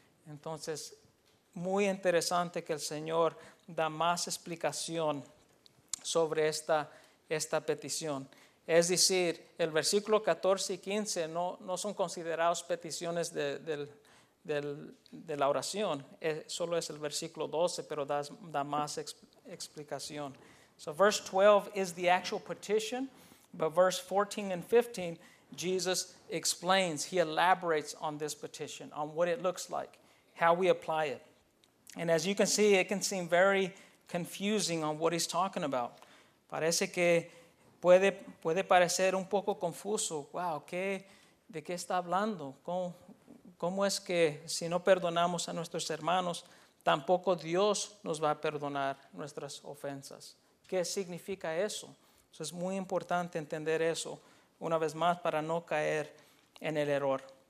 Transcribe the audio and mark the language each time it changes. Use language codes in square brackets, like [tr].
[es] Entonces, muy interesante que el Señor da más explicación sobre esta petición. Es decir, el versículo 14 y 15 no son considerados peticiones de la oración. Solo es el versículo 12, pero da más explicación. [en] So verse 12 is the actual petition, but verse 14 and 15, Jesus explains, he elaborates on this petition, on what it looks like, how we apply it. And as you can see, it can seem very confusing on what he's talking about. [es] Parece que puede parecer un poco confuso. Wow, ¿de qué está hablando? ¿Cómo es que si no perdonamos a nuestros hermanos, tampoco Dios nos va a perdonar nuestras ofensas? ¿Qué significa eso? Eso es muy importante entender eso una vez más para no caer en el error.